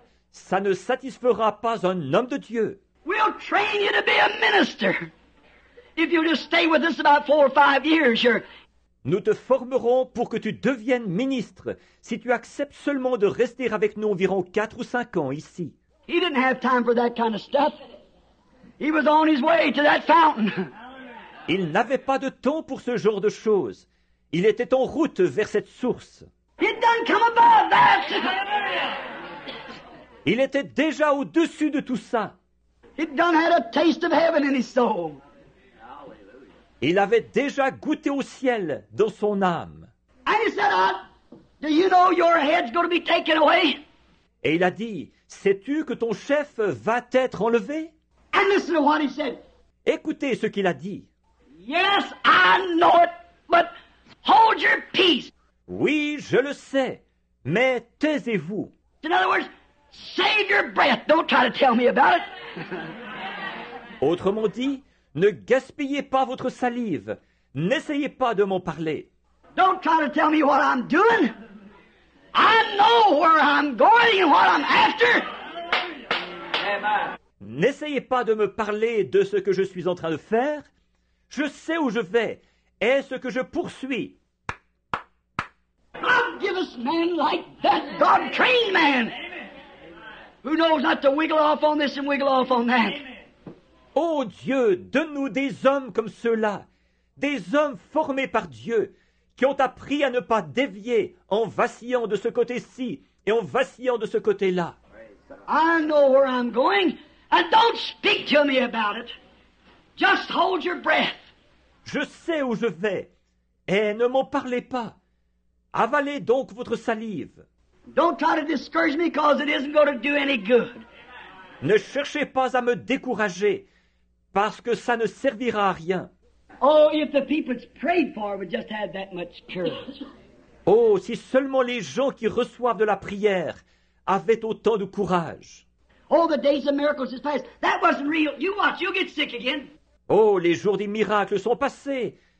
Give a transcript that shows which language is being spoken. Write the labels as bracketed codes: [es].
[fr] Ça ne satisfera pas un homme de Dieu. [en] We'll train you to be a minister. If you just stay with us about 4 or 5 years, you're... [fr] Nous te formerons pour que tu deviennes ministre si tu acceptes seulement de rester avec nous environ 4 ou 5 ans ici. [en] He didn't have time for that kind of stuff. He was on his way to that fountain. [fr] Il n'avait pas de temps pour ce genre de choses. Il était en route vers cette source. [en] It doesn't come above that. [fr] Il était déjà au-dessus de tout ça. [en] It done had a taste of heaven in his soul. [fr] Il avait déjà goûté au ciel dans son âme. [en] And he said, do you know your head's going to be taken away? [fr] Et il a dit, sais-tu que ton chef va être enlevé? [en] And listen to what he said. [fr] Écoutez ce qu'il a dit. [en] Yes, I know it, but hold your peace. [fr] Oui, je le sais, mais taisez-vous. [en] In other words, save your breath. Don't try to tell me about it. [fr] Autrement dit, ne gaspillez pas votre salive. N'essayez pas de m'en parler. [en] Don't try to tell me what I'm doing. I know where I'm going and what I'm after. Amen. [fr] N'essayez pas de me parler de ce que je suis en train de faire. Je sais où je vais et ce que je poursuis. [en] God give us men like that, God trained man. Who knows not to wiggle off on this and wiggle off on that. [fr] Oh Dieu, donne-nous des hommes comme ceux-là, des hommes formés par Dieu, qui ont appris à ne pas dévier en vacillant de ce côté-ci et en vacillant de ce côté-là. [en] I know where I'm going, and don't speak to me about it. Just hold your breath. [fr] Je sais où je vais, et ne m'en parlez pas. Avalez donc votre salive. [en] Don't try to discourage me because it isn't going to do any good. [fr] Ne cherchez pas à me décourager, parce que ça ne servira à rien. [en] Oh, if the people it's prayed for would just have that much courage. [fr] Oh, si seulement les gens qui reçoivent de la prière avaient autant de courage. [en] Oh, the days of miracles is past. That wasn't real. You watch, you'll get sick again. [fr] Oh, les jours des miracles sont passés.